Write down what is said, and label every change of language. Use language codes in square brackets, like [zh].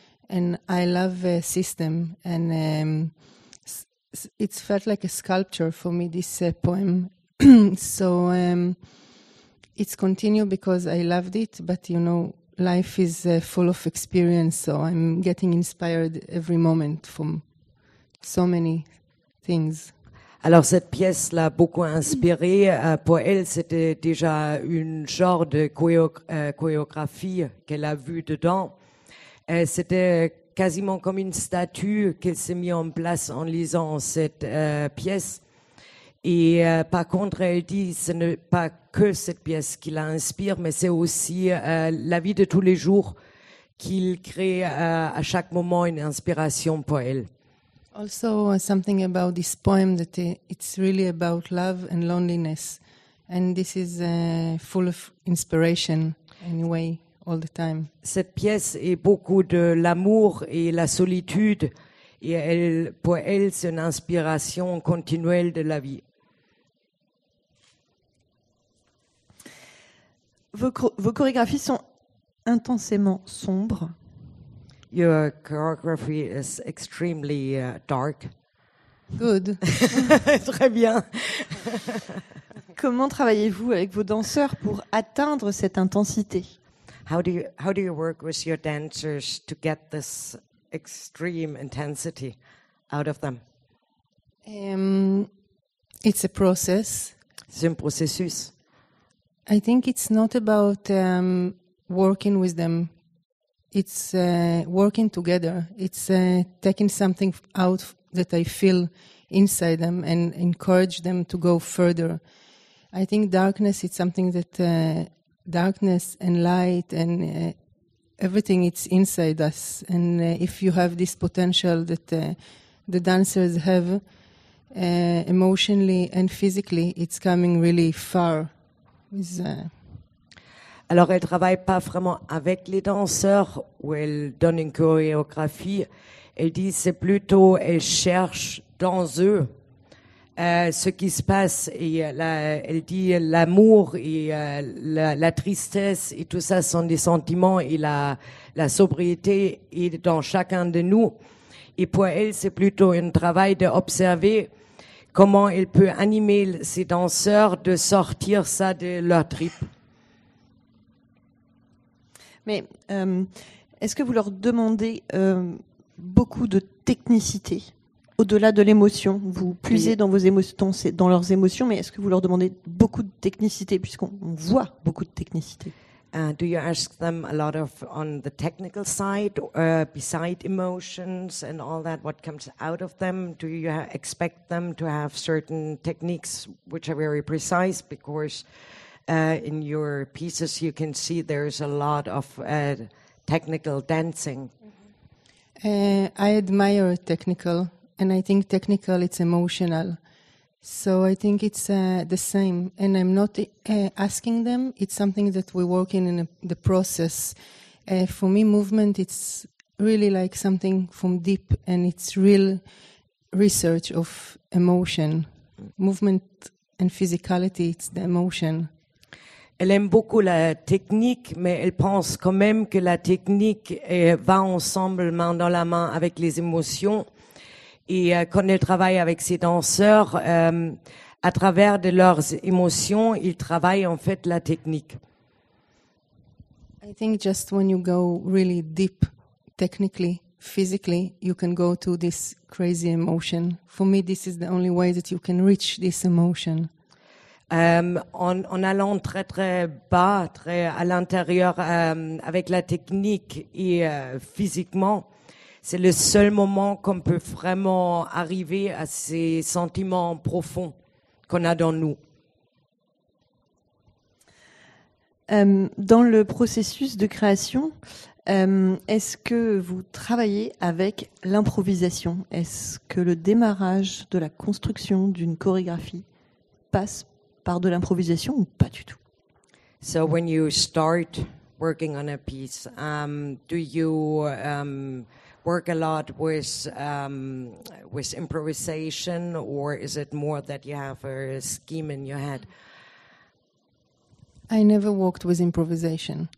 [en] And I love the system, and it's felt like a sculpture for me, this poem. So it's continued because I loved it, but you know, life is full of experience, so I'm getting inspired every moment from so many things. [fr] Alors cette pièce l'a beaucoup inspirée. Pour elle, c'était déjà une genre de chorégraphie qu'elle a vue dedans. C'était quasiment comme une statue qu'elle s'est mise en place en lisant cette pièce. Et par contre, elle dit que ce n'est pas que cette pièce qui l'inspire, mais c'est aussi la vie de tous les jours qu'il crée à chaque moment une inspiration pour elle. [en] Also, something about this poem that it's really about love and loneliness, and this is full of inspiration anyway, all the time. [fr] Cette pièce est beaucoup de l'amour et la solitude. Et elle, pour elle, c'est une inspiration continuelle de la vie. Vos chorégraphies sont intensément sombres. [en] Your choreography is extremely dark. Good. [fr] Très bien. Comment travaillez-vous avec vos danseurs pour atteindre cette intensité? [en] How do you work with your dancers to get this extreme intensity out of them? It's a process. [fr] C'est un processus. [en] I think it's not about working with them. It's working together. It's taking something out that I feel inside them and encourage them to go further. I think darkness is something that darkness and light and everything, it's inside us. And if you have this potential that the dancers have emotionally and physically, it's coming really far. [fr] Alors, elle ne travaille pas vraiment avec les danseurs ou elle donne une chorégraphie. Elle dit c'est plutôt elle cherche dans eux ce qui se passe. Et la, elle dit l'amour et la tristesse et tout ça sont des sentiments et la sobriété est dans chacun de nous. Et pour elle, c'est plutôt un travail d'observer comment elle peut animer ses danseurs de sortir ça de leur trip. Mais est-ce que vous leur demandez beaucoup de technicité au-delà de l'émotion? Vous puisez dans vos émotions, dans leurs émotions, mais est-ce que vous leur demandez beaucoup de technicité puisqu'on voit beaucoup de technicité? [en] Do you ask them a lot of on the technical side, beside emotions and all that, what comes out of them? Do you expect them to have certain techniques which are very precise? Because in your pieces, you can see there's a lot of technical dancing. I admire technical, and I think technical, it's emotional. So I think it's the same, and I'm not asking them. It's something that we work in the process. For me, movement, it's really like something from deep, and it's real research of emotion. Movement and physicality, it's the emotion. [fr] Elle aime beaucoup la technique, mais elle pense quand même que la technique va ensemble main dans la main avec les émotions. Et quand elle travaille avec ses danseurs, à travers de leurs émotions, ils travaillent en fait la technique. [en] I think just when you go really deep, technically, physically, you can go to this crazy emotion. For me, this is the only way that you can reach this emotion. [fr] En allant très très bas, très à l'intérieur, avec la technique et physiquement, c'est le seul moment qu'on peut vraiment arriver à ces sentiments profonds qu'on a dans nous. Dans le processus de création, est-ce que vous travaillez avec l'improvisation? Est-ce que le démarrage de la construction d'une chorégraphie passe par de l'improvisation ou pas du tout? [en] So when you start working on a piece, do you work a lot with improvisation, or is it more that you have a scheme in your head? I never worked with improvisation.